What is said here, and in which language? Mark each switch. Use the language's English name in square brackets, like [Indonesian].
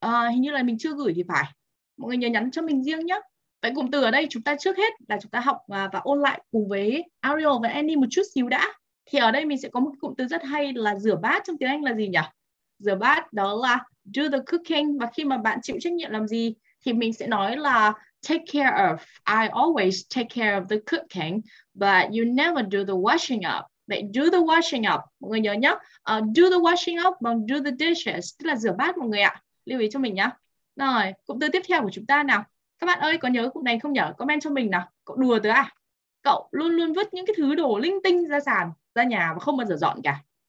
[Vietnamese] Hình như là mình chưa gửi thì phải. Mọi người nhớ nhắn cho mình riêng nhé. Vậy cụm từ ở đây chúng ta trước hết là chúng ta học và ôn lại cùng với Ariel và Annie một chút xíu đã. Thì ở đây mình sẽ có một cụm từ rất hay là rửa bát trong tiếng Anh là gì nhỉ? Rửa bát đó là [English] do the cooking. [Vietnamese] Và khi mà bạn chịu trách nhiệm làm gì thì mình sẽ nói là [English] take care of. I always take care of the cooking, but you never do the washing up. [Vietnamese] Vậy [English] do the washing up, [Vietnamese] mọi người nhớ nhé. [English] Do the washing up [Vietnamese] bằng [English] do the dishes, [Vietnamese] tức là rửa bát mọi người ạ. Lưu ý cho mình nhé. Rồi, cụm từ tiếp theo của chúng ta nào. Các bạn ơi, có nhớ cụm này không nhỉ? Comment cho mình nào. Cậu đùa tớ à? Cậu luôn luôn vứt những cái thứ đồ linh tinh ra sàn, ra nhà và không bao giờ dọn cả.